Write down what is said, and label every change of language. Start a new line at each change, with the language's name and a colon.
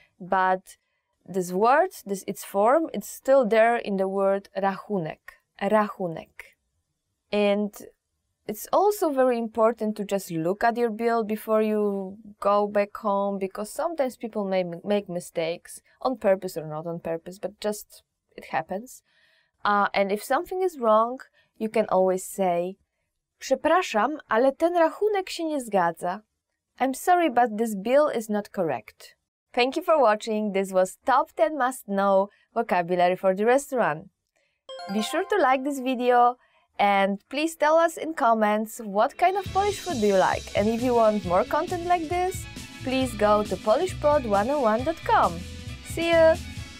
English: But this word, this its form, it's still there in the word rachunek. Rachunek. And it's also very important to just look at your bill before you go back home, because sometimes people may make mistakes on purpose or not on purpose, but just it happens. And if something is wrong, you can always say
Polish: przepraszam, ale ten rachunek się nie zgadza.
English: I'm sorry, but this bill is not correct. Thank you for watching. This was Top 10 Must Know Vocabulary for the Restaurant. Be sure to like this video. And please tell us in comments what kind of Polish food do you like. And if you want more content like this, please go to polishpod101.com. See you!